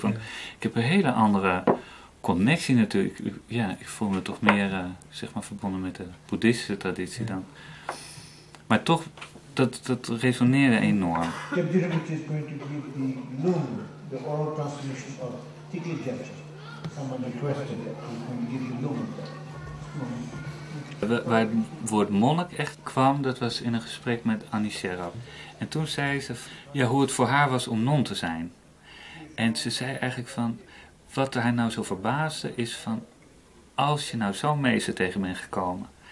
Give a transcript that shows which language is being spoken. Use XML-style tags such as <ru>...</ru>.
<nl>Want ik heb een hele andere connectie natuurlijk. Ja, ik voel me toch meer zeg maar verbonden met de boeddhistische traditie dan. Maar toch, dat resoneerde enorm. Ik heb hier een keer</nl> <en>going to give the loom, the oral transmission of Tiki Jepsen. Someone requested that we can give the loom.</en> <nl>Waar het woord monnik echt kwam, dat was in een gesprek met Annie Sherrap. En toen zei ze ja, hoe het voor haar was om non te zijn. En ze zei eigenlijk van, wat haar nou zo verbaasde is van, als je nou zo'n meester tegen bent gekomen.</nl>